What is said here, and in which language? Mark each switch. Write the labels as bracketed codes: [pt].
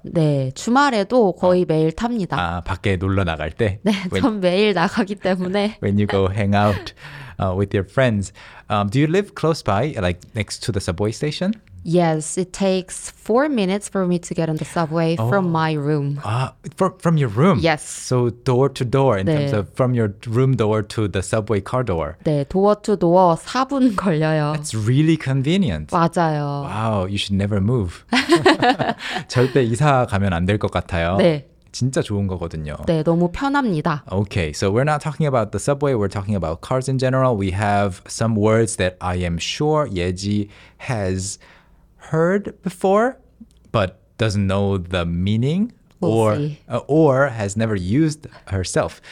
[ko] 네, 주말에도 거의 매일 탑니다. 아, 밖에 놀러 나갈 때? 네, 전 매일 나가기 때문에. [en] When you go hang out with your friends. Do you live close by, like next to the subway station? Yes, it takes 4 minutes for me to get on the subway from my room. From your room? Yes. So door to door in terms of from your room door to the subway car door. [ko] 네, [en] door to door [ko] 4분 걸려요. [en] That's really convenient. [ko] 맞아요. [en] Wow, you should never move. [ko] 절대 이사 가면 안 될 것 같아요. 네. 진짜 좋은 거거든요. 네, 너무 편합니다. [en] Okay, so we're not talking about the subway. We're talking about cars in general. We have some words that I am sure Yeji has heard before, but doesn't know the meaning or has never used herself.